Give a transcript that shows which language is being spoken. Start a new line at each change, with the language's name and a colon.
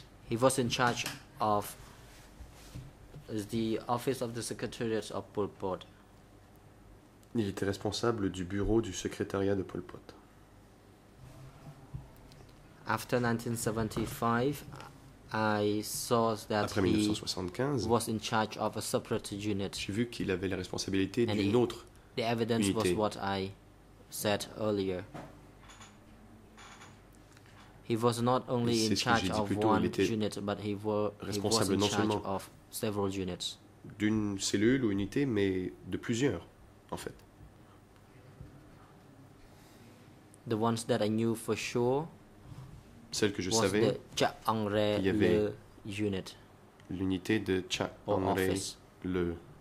English: He was in charge of the office of the secretariat of Pol Pot.
French: Il était responsable du bureau du secrétariat de Pol Pot.
English: After 1975, I saw that
French: après 1975,
English: he was in charge of a separate unit.
French: J'ai vu qu'il avait la responsabilité d'une autre unité.
English: The evidence was what I said earlier. He was not only in charge of one unit, but he was in charge of several units.
French: D'une cellule ou unité, mais de plusieurs, en fait.
English: The ones that I knew for sure,
French: celles que je savais, il y avait
English: unit,
French: l'unité de Cha Angre Le.